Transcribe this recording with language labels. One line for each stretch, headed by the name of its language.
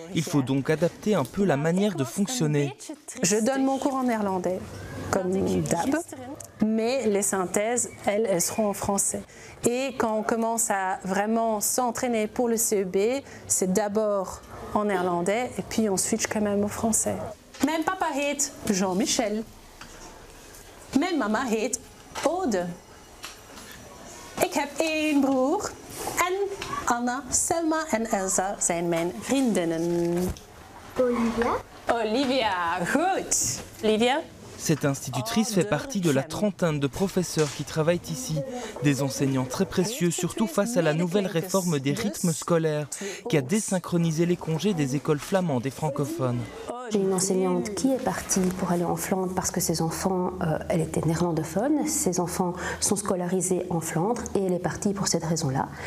French: Il faut donc adapter un peu la manière de fonctionner. Je donne mon cours en néerlandais, comme d'hab, mais les synthèses, elles seront en français. Et quand on commence à vraiment s'entraîner pour le CEB, c'est d'abord en néerlandais et puis on switch quand même au français.
Dutch: Mijn papa heet Jean-Michel. Mijn mama heet Aude. Ik heb 1 broer. En Anna, Selma en Elsa zijn mijn vriendinnen. Olivia. Olivia, goed. Olivia,
French: Cette institutrice fait partie de la trentaine de professeurs qui travaillent ici. Des enseignants très précieux, surtout face à la nouvelle réforme des rythmes scolaires qui a désynchronisé les congés des écoles flamandes et francophones. J'ai une enseignante qui est partie pour aller en Flandre parce que ses enfants, elle était néerlandophone, ses enfants sont scolarisés en Flandre et elle est partie pour cette raison-là.